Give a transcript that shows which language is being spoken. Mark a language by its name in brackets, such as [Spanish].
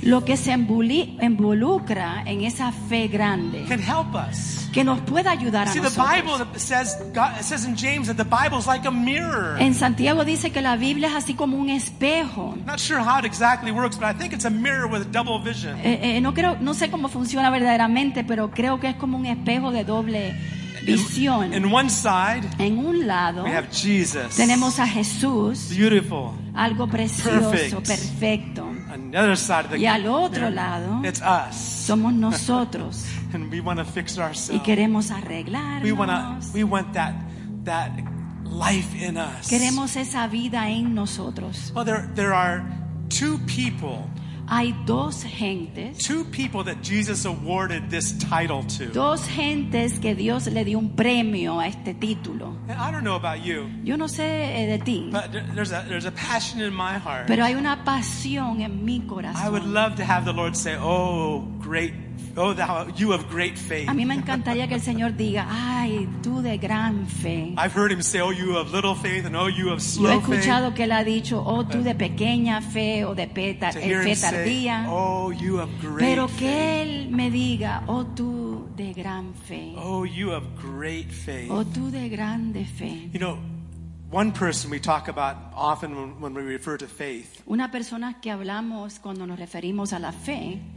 [Spanish] Lo que se involucra en esa fe grande. [English] Can help us. [Spanish] Que nos pueda ayudar a nosotros. [English] See, the Bible says, God, it says in James that the Bible is like a mirror. [Spanish] En Santiago dice que la Biblia es así como un espejo. [English] Not sure how it exactly works, but I think it's a mirror with a double vision. [Spanish] No sé cómo funciona verdaderamente, pero creo que es como un espejo de doble visión. [English] In one side, [Spanish] en un lado, [English] we have Jesus. [Spanish] Tenemos a Jesús. [English] Beautiful. [Spanish] Algo precioso, perfecto. [English] Another side of the [Spanish] y al otro [English] mirror, [Spanish] lado, [English] it's us. [Spanish] Somos nosotros. [English] And we want to fix ourselves. [Spanish] Y queremos arreglarnos. [English] We want that life in us. [Spanish] Queremos esa vida en nosotros. [English] Well, there are two people. [Spanish] Hay dos gentes. [English] Two people that Jesus awarded this title to. [Spanish] Dos gentes que Dios le dio un premio a este título. [English] And I don't know about you. [Spanish] Yo no sé de ti. [English] But there's a passion in my heart. [Spanish] Pero hay una pasión en mi corazón. [English] I would love to have the Lord say, "Oh, great, oh, thou, you of great faith." [Spanish] A mí me encantaría que el Señor diga, "Ay, tú de gran fe." [English] I've heard him say, "Oh, you of little faith," and "Oh, you of slow faith." [Spanish] Yo he escuchado que él ha dicho, "Oh, tú de pequeña fe o de fe tardía." [English] "Oh, you of great faith." [Spanish] Pero que él me diga, "Oh, tú de gran fe." [English] "Oh, you of great faith." [Spanish] "Oh, tú de grande fe." [English] You know, one person we talk about often when we refer to faith. [Spanish] Una persona que hablamos cuando nos referimos a la fe